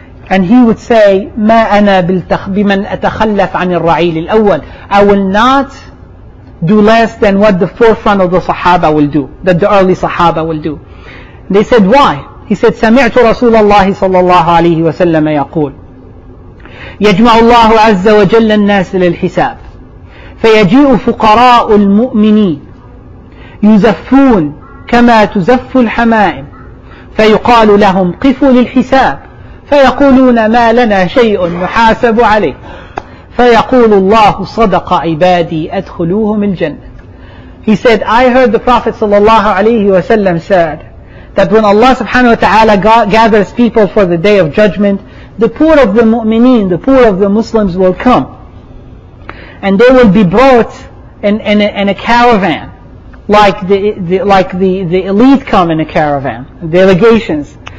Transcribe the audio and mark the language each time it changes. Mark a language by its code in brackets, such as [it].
[en] And he would say, [ar] ما أنا بمن أتخلف عن الرعي الأول. [en] I will not do less than what the forefront of the Sahaba will do, that the early Sahaba will do. They said, why? He said, [ar] سمعت رسول الله صلى الله عليه وسلم يقول, يجمع الله عز وجل الناس للحساب, فيجيء فقراء المؤمنين يزفون كما تزف الحمائم, فيقال لهم قفوا للحساب, فيقولون ما لنا شيء نحاسب عليه, فيقول الله صدق عبادي أدخلوهم الجنة. [en] He said, I heard the Prophet sallallahu alayhi wa sallam said that when Allah subhanahu wa ta'ala gathers people for the day of judgment, the poor of the mu'mineen, the poor of the Muslims will come. And they will be brought in a caravan, like the elite come in a caravan, delegations.